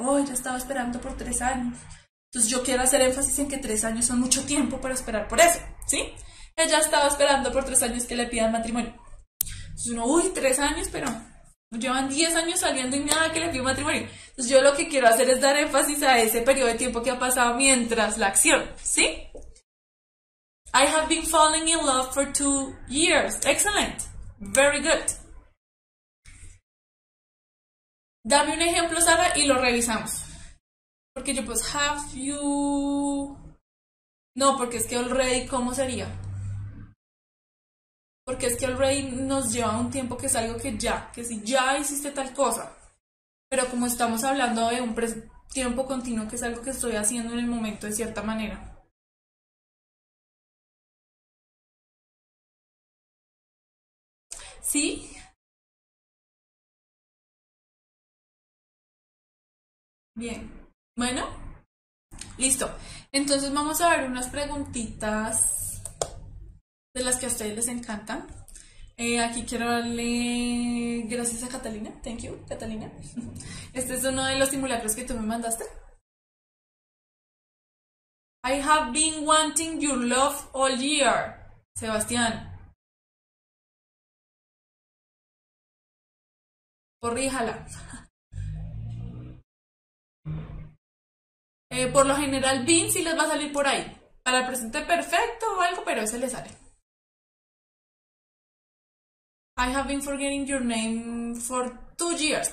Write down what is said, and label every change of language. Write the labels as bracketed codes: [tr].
[es] Oh, ya estaba esperando por 3 años. Entonces yo quiero hacer énfasis en que 3 años son mucho tiempo para esperar por eso, ¿sí? Ella estaba esperando por 3 años que le pidan matrimonio. Entonces uno, uy, 3 años, pero llevan 10 años saliendo y nada que le pido matrimonio. Entonces yo lo que quiero hacer es dar énfasis a ese periodo de tiempo que ha pasado mientras la acción, ¿sí? [en] I have been falling in love for 2 years. Excellent. Very good. [es] Dame un ejemplo, Sara, y lo revisamos. Porque yo, pues, [en] have you... [es] No, porque es que already, ¿cómo sería? Porque es que already nos lleva un tiempo que es algo que ya, que si ya hiciste tal cosa. Pero como estamos hablando de un tiempo continuo, que es algo que estoy haciendo en el momento de cierta manera. ¿Sí? Bien. Bueno, listo. Entonces vamos a ver unas preguntitas de las que a ustedes les encantan. Aquí quiero darle gracias a Catalina. [en] Thank you, Catalina. [es] Este es uno de los simulacros que tú me mandaste. [en] I have been wanting your love all year, Sebastián. [es] Corríjala. Por lo general, Bean sí les va a salir por ahí. Para el presente perfecto o algo, pero ese le sale. [en] I have been forgetting your name for 2 years.